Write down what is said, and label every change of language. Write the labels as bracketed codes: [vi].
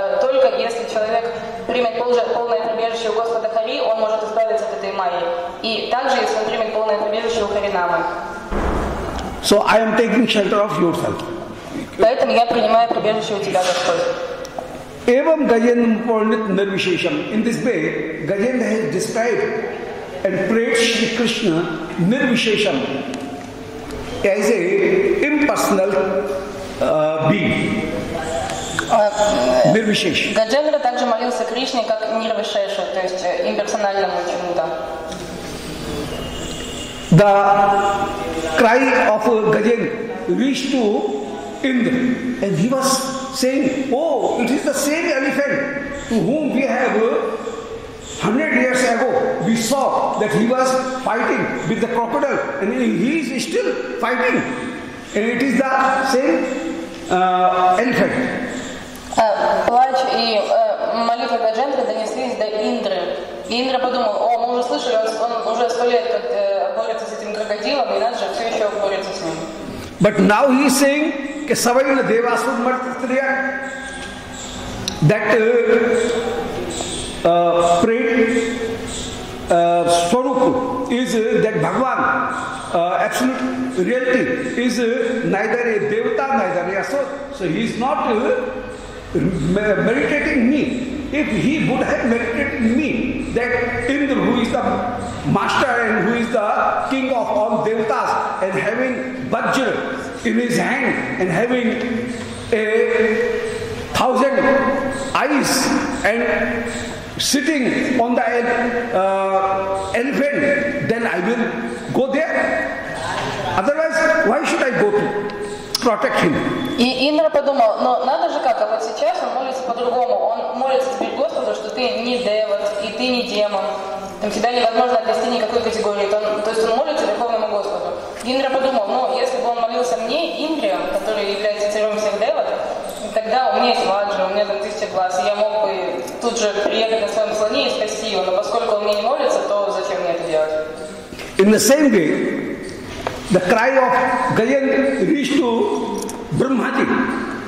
[ru] Только если человек примет полное прибежище у Господа Хари, он может избавиться от этой майи. И также, если он примет полное прибежище у Харинамы. [en] So I am taking shelter of yourself. [ru] Поэтому я принимаю прибежище у тебя, Господь. [sa] Evam Gajendra Purnit Nirvishesham. [en] In this way, Gajendra has described and prayed Shri Krishna Nirvishesham as a impersonal being. [sa] Nirvishesh. [ru] Gajendra также молился Кришне как Nirvishesha, то есть имперсональному чему-то. [en] The cry of Gajendra reached to Indra, and he was saying, oh, it is the same elephant to whom we have 100 years ago, we saw that he was fighting with the crocodile, and he is still fighting. And it is the same elephant. [ru] Плач и молитва Гаджендры донеслись до Индры. И Индра подумал, о, мы уже слышали, он уже 100 лет борется с этим крокодилом, и надо же все еще борется с ним. [en] But now he is saying, [sa] Kesavayana Devasur Martitriya, [en] that prayed Swarup is that Bhagavan, absolute reality, is neither a devata, neither a asur. So he is not meditating me. If he would have meditated me, that Indra, who is the master and who is the king of all devatas, and having Vajra in his hand and having a 1,000 eyes and sitting on the elephant, then I will go there. Otherwise, why should I go to protect him? [ru] И Индра подумал, но надо же как-то, вот сейчас он молится по-другому. Он молится теперь Господу, что ты не девот и ты не демон. Там всегда невозможно отнести никакую категорию. То есть он молится Верховному Господу. Индра подумал, ну, если бы он молился мне, Индре, который является царем всех девот, тогда у меня есть ваджа, у меня там 1000 глаз, и я мог бы тут же приехать на своем слоне и спасти его. Но поскольку он мне не молится, то зачем мне это делать? [en] In the same way, the cry of Gayan reached to Brahmaji.